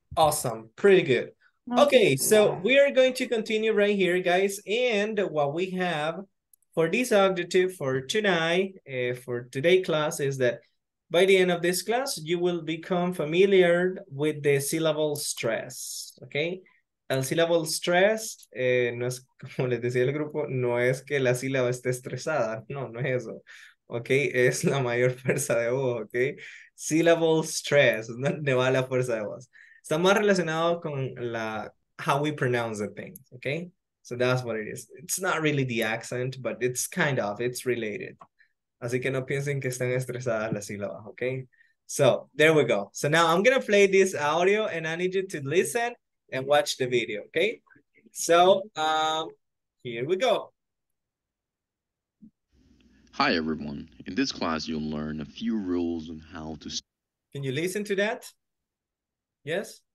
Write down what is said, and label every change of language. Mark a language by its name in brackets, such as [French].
[English] Awesome. Pretty good. Okay, so we are going to continue right here, guys. And what we have for this objective for tonight, for today's class, is that by the end of this class, you will become familiar with the syllable stress. Okay? [Spanish] El syllable stress, no es, como les decía el grupo, no es que la sílaba esté estresada. No, no es eso. Okay, es la mayor fuerza de voz, okay? Syllable stress, ¿dónde va la fuerza de voz? Está más relacionado con la [English] how we pronounce the thing, okay? So that's what it is. It's not really the accent, but it's kind of, it's related. [Spanish] Así que no piensen que están estresadas las sílabas, okay? [English] So, there we go. So now I'm going to play this audio and I need you to listen and watch the video, okay? So, here we go. Hi, everyone. In this class, you'll learn a few rules on how to... Can you listen to that? Yes?